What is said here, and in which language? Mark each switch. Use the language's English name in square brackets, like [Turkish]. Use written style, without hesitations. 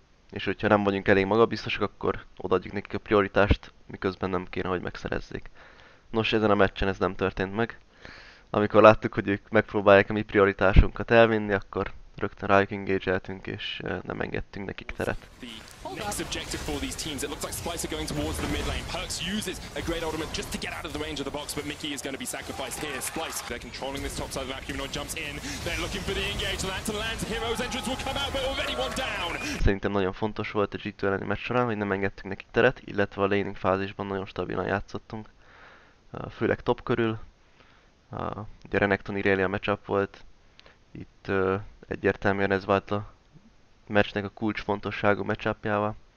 [Hungarian] És hogyha nem vagyunk elég magabiztosak, akkor odaadjuk nekik a prioritást, miközben nem kéne, hogy megszerezzék. Nos, ezen a meccsen ez nem történt meg. Amikor láttuk, hogy ők megpróbálják a mi prioritásunkat elvinni, akkor rögtön rájuk engage-eltünk, és nem engedtünk nekik teret. [English] Next objective for these teams. It looks like Splice are going towards the mid lane. Perks uses a great ultimate just to get out of the range of the box, but Mickey is going to be sacrificed here. Splice, they're controlling this top side of the map. Humanoid jumps in. They're looking for the engage. Lanta lands. Hero's entrance will come out, but already one down. [Hungarian] Szerintem nagyon fontos volt a G2 elleni meccs során, hogy nem engedtünk nekik teret, illetve a laning fázisban nagyon stabilan játszottunk. Főleg top körül. Ugye Renekton Irelia matchup volt. Itt egyértelműen ez vált a meccsnek a kulcsfontosságú matchupjával.